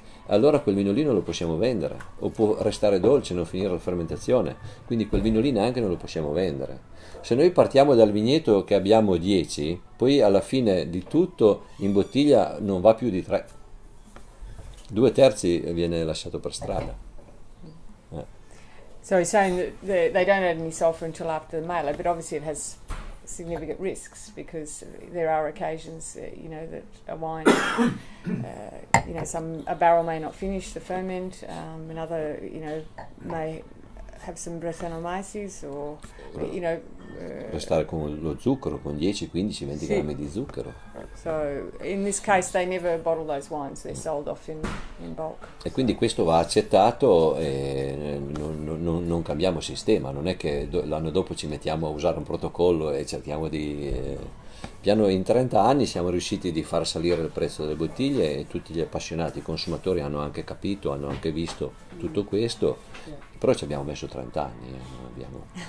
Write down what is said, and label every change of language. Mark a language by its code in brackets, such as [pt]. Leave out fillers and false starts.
[it] Allora quel vino lì non lo possiamo vendere, o può restare dolce e non finire la fermentazione, quindi quel vino lì neanche non lo possiamo vendere. Se noi partiamo dal vigneto che abbiamo 10, poi alla fine di tutto in bottiglia non va più di 3, 2/3 viene lasciato per strada. [en] So he's saying that they don't add any sulfur until after the malo, but obviously it has significant risks because there are occasions, you know, that a wine, you know, a barrel may not finish the ferment, another, you know, may have some brettanomyces or, you know, [it] Restare con lo zucchero, con 10, 15, 20 grammi di zucchero. [en] So in this case they never bottle those wines, they're sold off in bulk. [it] E quindi questo va accettato e non cambiamo sistema, non è che l'anno dopo ci mettiamo a usare un protocollo e cerchiamo di. Piano in 30 anni siamo riusciti di far salire il prezzo delle bottiglie e tutti gli appassionati consumatori hanno anche capito, hanno anche visto tutto questo, però ci abbiamo messo 30 anni, non abbiamo.